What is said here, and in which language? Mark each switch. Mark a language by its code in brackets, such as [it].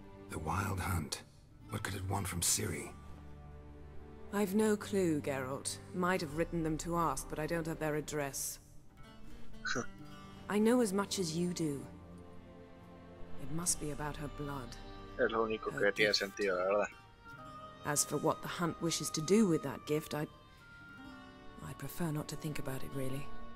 [en] The Wild Hunt? What could it want from Ciri? I've no clue, Geralt. Might have written them to ask, but I don't have their address. I know as much as you do. It must be about her blood. [es] Es lo único que tiene sentido, la verdad. [en] As for what the Hunt wishes to do with that gift, I prefer not to think about it, really.